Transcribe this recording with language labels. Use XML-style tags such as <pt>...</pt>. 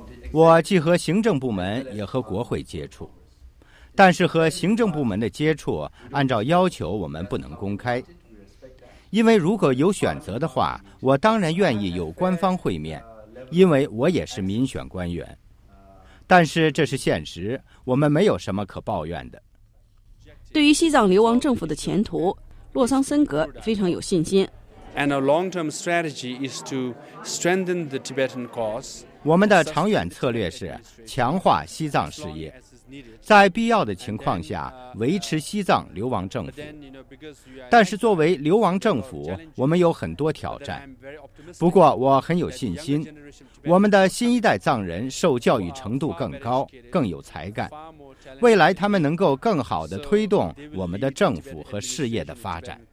<zh>我既和行政部门也和国会接触，但是和行政部门的接触按照要求我们不能公开，因为如果有选择的话，我当然愿意有官方会面，因为我也是民选官员，但是这是现实，我们没有什么可抱怨的。对于西藏流亡政府的前途，洛桑森格非常有信心。</zh> <en>And our long-term strategy is to strengthen the Tibetan cause.</en> <zh>我们的长远策略是强化西藏事业，在必要的情况下维持西藏流亡政府。但是作为流亡政府，我们有很多挑战。不过我很有信心，我们的新一代藏人受教育程度更高，更有才干，未来他们能够更好地推动我们的政府和事业的发展。</zh>